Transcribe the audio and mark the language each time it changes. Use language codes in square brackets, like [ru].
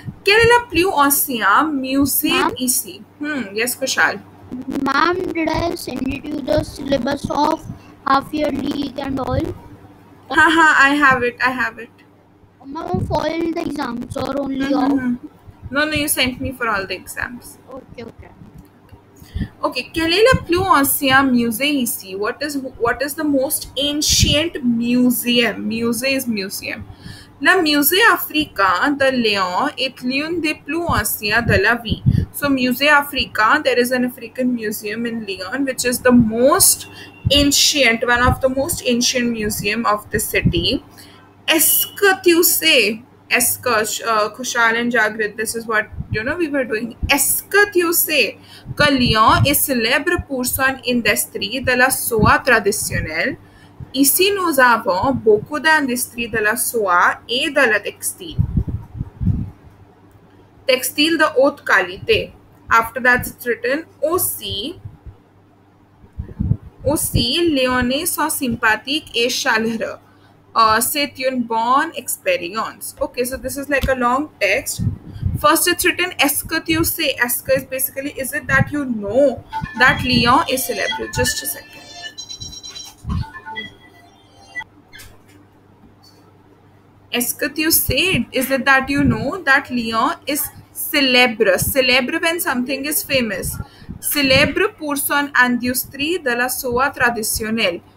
[fr] Quel est le plus ancien musée ici? [en] Yes, [fr] Kushal. [en] Ma'am, did I send it you the syllabus of half yearly and all? Haha, I have it. Ma'am, for all the exams or only all? No, you sent me for all the exams. Okay. Okay, [fr] quel est le plus ancien musée ici? [en] What is the most ancient museum? Musée is museum. [fr] Le musée africain de Lyon est l'un des plus anciens de la ville. [en] So, musée africain, there is an African museum in Lyon, which is the most ancient, one of the most ancient museum of the city. [fr] Est-ce que tu sais? Est-ce que, [en] Kushal and Jagrit, this is what, you know, we were doing. [fr] Est-ce que tu sais que Lyon est célèbre pour son industrie de la soie traditionnelle? Ici, nous avons beaucoup d'industrie de la soie et de la textile. Textile de haute qualité. [en] After that, it's written, [fr] aussi, Lyonnais sont sympathiques et chaleureux. C'est une bonne expérience. [en] Okay, so this is like a long text. First, it's written, [fr] est-ce que tu sais? Est-ce que [en] is basically, is it that you know that Lyon is célèbre? Just a second. [fr] Est-ce que tu sais? [en] Is it that you know that Lyon is célèbre? Célèbre when something is famous. [fr] Célèbre pour son industrie de la soie traditionnelle.